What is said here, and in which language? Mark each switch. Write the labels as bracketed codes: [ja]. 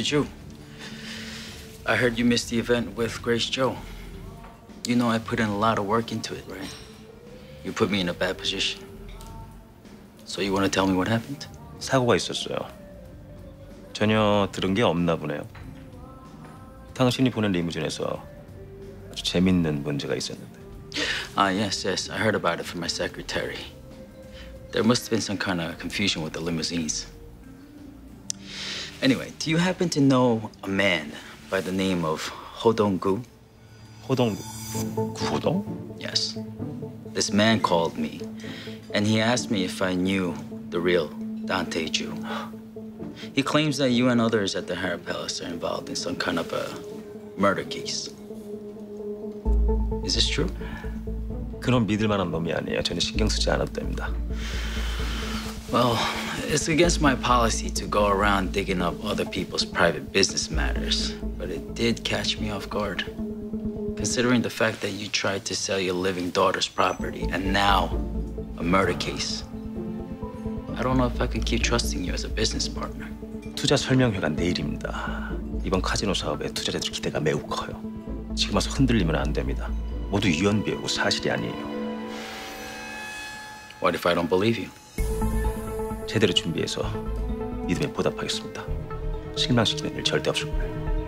[en] Zhu, I heard you missed the event with Grace Zhou. You know I put in a lot of work into it, right? You put me in a bad position. So you want to tell me what happened? [ko] 사고가 있었어요. 전혀 들은 게 없나 보네요. 당신이 보낸 리무진에서 아주 재밌는 문제가 있었는데. [en] Ah, yes, yes. I heard about it from my secretary. There must have been some kind of confusion with the limousines. Anyway, do you happen to know a man by the name of Ho Dong-gu? Ho Dong-gu? Ho Dong? Yes. This man called me, and he asked me if I knew the real Dante Zhu. He claims that you and others at the Hara Palace are involved in some kind of a murder case. Is this true? [ko] 그런 믿을 만한 놈이 아니에요. 전혀 신경 쓰지 않았답니다. [en] Well, it's against my policy to go around digging up other people's private business matters, but it did catch me off guard. Considering the fact that you tried to sell your living daughter's property and now a murder case, I don't know if I can keep trusting you as a business partner. [ko] 투자 설명회가 내일입니다. 이번 카지노 사업에 투자자들 기대가 매우 커요. 지금 와서 흔들리면 안 됩니다. 모두 유언비어고 사실이 아니에요. [en] What if I don't believe you? [ko] 제대로 준비해서 믿음에 보답하겠습니다. 실망시키는 일 절대 없을 거예요.